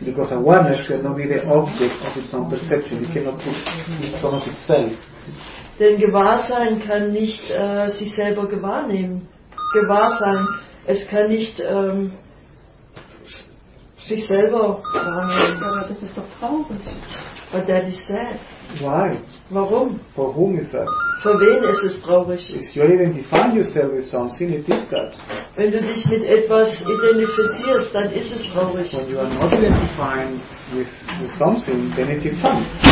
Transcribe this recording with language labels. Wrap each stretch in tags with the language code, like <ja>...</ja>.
<en>Because awareness cannot be the object of its own perception. It cannot put it from itself.</en> <de>Denn Gewahrsein kann nicht sich selber gewahr nehmen. Gewahrsein, es kann nicht sich selber wahrnehmen. Aber das ist doch traurig.</de> <en>But that is sad. Why?</en> <de>Warum?</de> <en>For whom is that?</en> <de>Für wen ist es traurig?</de> <en>If you identify yourself with something, it is that.</en> <de>Wenn du dich mit etwas identifizierst, dann ist es traurig.</de> <en>When you are not identifying with something, then it is fun.</en>